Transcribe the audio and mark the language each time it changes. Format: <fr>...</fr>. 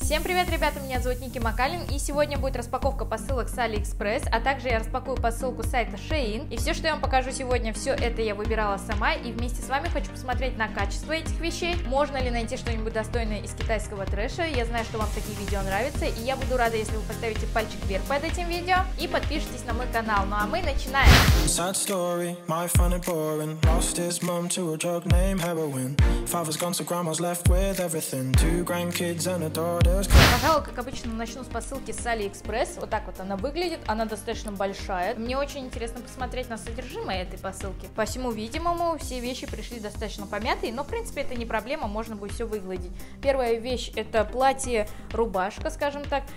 <ru>Всем привет, ребята, меня зовут Ники Макалин, и сегодня будет распаковка посылок с AliExpress, а также я распакую посылку с сайта Shein. И все, что я вам покажу сегодня, все это я выбирала сама, и вместе с вами хочу посмотреть на качество этих вещей, можно ли найти что-нибудь достойное из китайского трэша. Я знаю, что вам такие видео нравятся, и я буду рада, если вы поставите пальчик вверх под этим видео и подпишитесь на мой канал. Ну а мы начинаем!</ru> <en>Sad story, my funny boring. Lost his mom to a drug named heroin. Father's gone, so grandma's left with everything. Two grandkids and a daughter's...</en> <ru>Пожалуй, как обычно, начну с посылки с AliExpress. Вот так вот она выглядит. Она достаточно большая. Мне очень интересно посмотреть на содержимое этой посылки. По всему видимому, все вещи пришли достаточно помятые. Но, в принципе, это не проблема. Можно будет все выгладить. Первая вещь – это платье-рубашка, скажем так.</ru>